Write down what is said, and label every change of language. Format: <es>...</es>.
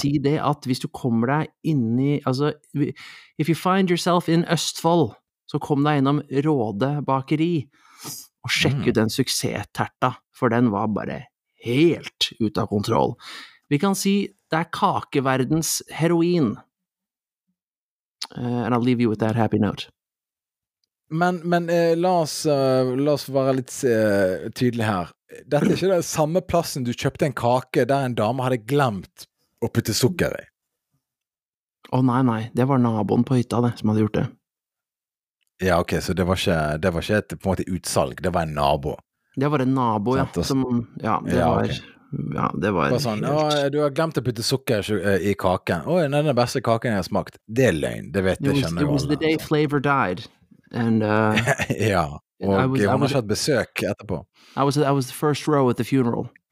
<no>Si det at hvis du kommer deg inn i... Altså,</no> <en>if you find yourself in Østfold,</en> <no>så kom deg innom Råde Bakeri og sjekk ut den suksess-terta, for den var bare helt ut av kontroll. Vi kan si det er kakeverdens heroin.</no> <en>And I'll leave you with that happy note.</en> <no>Men la oss være litt tydelig her. Dette er ikke den samme plassen du kjøpte en kake der en dame hadde glemt å putte sukker i. Nei, det var naboen på hytta det, som hadde gjort det. Ja, ok, så det var ikke et på en måte utsalg, det var en nabo. Det var en nabo, sånn, ja. Det var sånn, du har glemt å putte sukker i kaken. Oi, den er den beste kaken jeg har smakt. Det er løgn, det vet jeg kjenner.</no> <en>It was the day flavor died. And,</en> <no>ja, og hun har kjatt besøk etterpå.</no> <en>I was the first row at the funeral.</en>